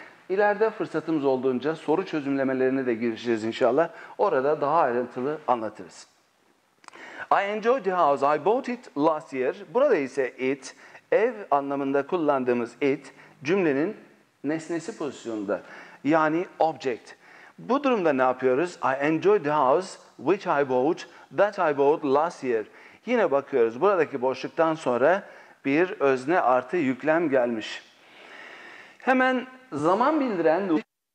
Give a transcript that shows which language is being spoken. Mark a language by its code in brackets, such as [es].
[tr] İleride fırsatımız olduğunca soru çözümlemelerine de gireceğiz inşallah. Orada daha ayrıntılı anlatırız. [en] I enjoyed the house. I bought it last year. [tr] Burada ise it, ev anlamında kullandığımız it, cümlenin nesnesi pozisyonunda. Yani object. Bu durumda ne yapıyoruz? [en] I enjoyed the house which I bought, that I bought last year. [tr] Yine bakıyoruz. Buradaki boşluktan sonra bir özne artı yüklem gelmiş. Hemen zaman bildiren...